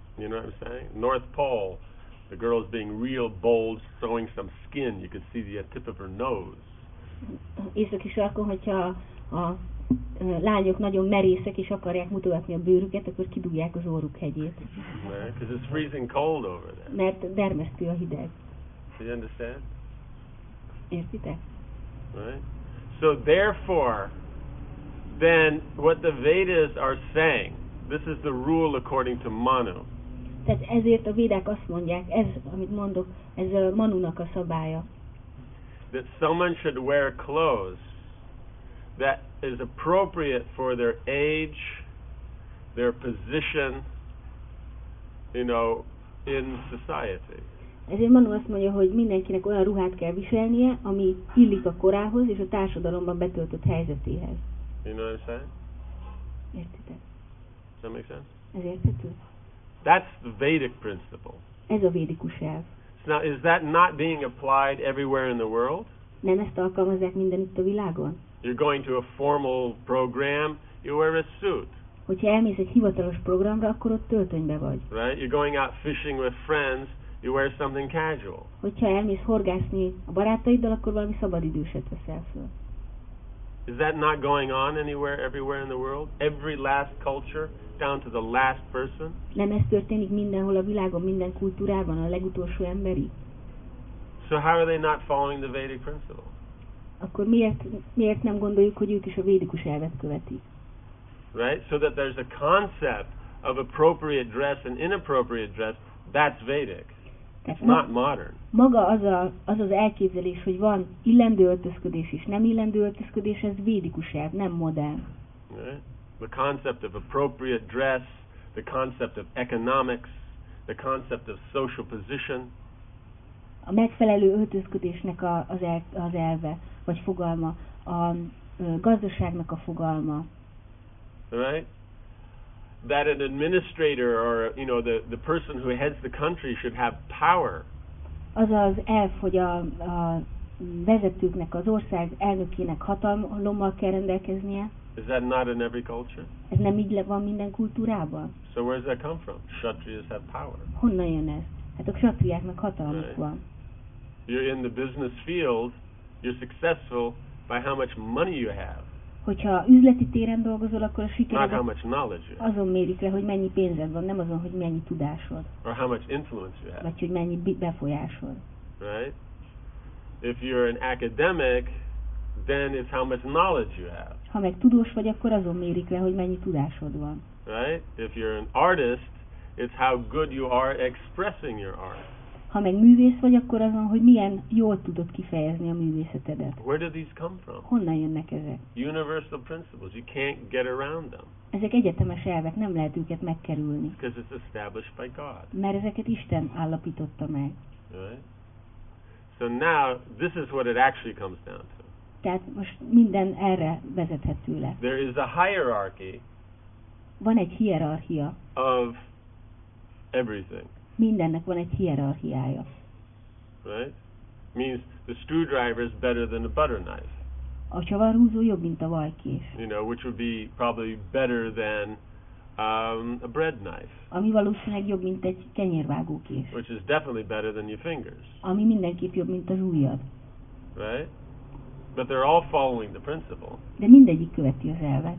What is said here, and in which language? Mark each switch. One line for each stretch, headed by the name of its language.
English: You know what I'm saying? North Pole, the girl's being real bold, showing some skin, you can see the tip of her nose.
Hungarian: Északi sarkon, hogyha a lányok nagyon merészek és akarják mutogatni a bőrüket, akkor kidugják az orruk hegyét.
English: Because it's freezing cold over there.
Hungarian: Mert dermesztő a hideg.
English: Do you understand?
Hungarian: Értitek?
English: Right. So therefore, then what the Vedas are saying, this is the rule according to Manu.
Hungarian: Tehát ezért a védák azt mondják, ez, amit mondok, ez a Manunak a szabálya.
English: That someone should wear clothes that is appropriate for their age, their position, you know, in society.
Hungarian: Ezért Manu azt mondja, hogy mindenkinek olyan ruhát kell viselnie, ami illik a korához és a társadalomban betöltött helyzetéhez.
English: You know what I'm saying?
Hungarian: Értitek.
English: Does that make sense?
Hungarian: Ez érthető.
English: That's the Vedic principle.
Hungarian: Ez a védikus elv.
English: Now, is that not being applied everywhere in the world?
Hungarian: Nem ezt alkalmazzák mindenütt a világon?
English: You're going to a formal program, you wear a suit.
Hungarian: hogyha elmész egy hivatalos programra, akkor ott öltönybe vagy.
English: Right? You're going out fishing with friends, you wear something casual.
Hungarian: Hogyha elmész horgászni a barátaiddal, akkor valami szabadidőset veszel föl.
English: Is that not going on anywhere, everywhere in the world? Every last culture, down to the last person?
Hungarian: Nem ez történik mindenhol a világon, minden kultúrában, a legutolsó emberi?
English: So how are they not following the Vedic principle?
Hungarian: Akkor miért nem gondoljuk, hogy ők is a védikus elvet követik?
English: Right? So that there's a concept of appropriate dress and inappropriate dress, that's Vedic. It's not modern.
Hungarian: Maga az az elképzelés, hogy van illendő öltözködés és nem illendő öltözködés, ez védikus elv, nem modern.
English: Right? The concept of appropriate dress, the concept of economics, the concept of social position.
Hungarian: A megfelelő öltözködésnek az elve, vagy fogalma, a gazdaságnak a fogalma.
English: Right? That an administrator or, you know, the person who heads the country should have power.
Hungarian: Az az elv, hogy a vezetőknek, az ország elnökének hatalommal kell rendelkeznie.
English: Is that not in every culture?
Hungarian: Ez nem így van minden kultúrában?
English: So where does that come from? Kshatriyas have power.
Hungarian: Honnan jön ez? Hát a kshatriáknak hatalmuk
English: right.
Hungarian: van.
English: You're in the business field, you're successful by how much money you have.
Hungarian: Hogyha üzleti téren dolgozol, akkor a sikered
English: how much knowledge you have.
Hungarian: Azon mérik le, hogy mennyi pénzed van, nem azon, hogy mennyi tudásod.
English: Or how much influence you have.
Hungarian: Vagy hogy mennyi befolyásod.
English: Right? If you're an academic, then it's how much knowledge you have.
Hungarian: Ha meg tudós vagy, akkor azon mérik le, hogy mennyi tudásod van.
English: Right? If you're an artist, it's how good you are expressing your art.
Hungarian: Ha meg művész vagy, akkor azon, hogy milyen jól tudod kifejezni a művészetedet.
English: Where do these come from?
Hungarian: Honnan jönnek ezek?
English: Universal principles. You can't get around them.
Hungarian: Ezek egyetemes elvek, nem lehet őket megkerülni.
English: Because it's established by God.
Hungarian: Mert ezeket Isten állapította meg.
English: Right? So now, this is what it actually comes down to.
Hungarian: Tehát most minden erre vezethető le.
English: There is a hierarchy.
Hungarian: Van egy hierarchia.
English: Of everything.
Hungarian: Mindennek van egy hierarchiája.
English: Right? Means the screwdriver is better than a butter knife.
Hungarian: A csavarhúzó jobb, mint a vajkés.
English: You know, which would be probably better than a bread knife.
Hungarian: Ami valószínűleg jobb, mint egy kenyérvágókés.
English: Which is definitely better than your fingers.
Hungarian: Ami mindenképp jobb, mint az ujjad.
English: Right? But they're all following the principle.
Hungarian: De mindegyik követi az elvet.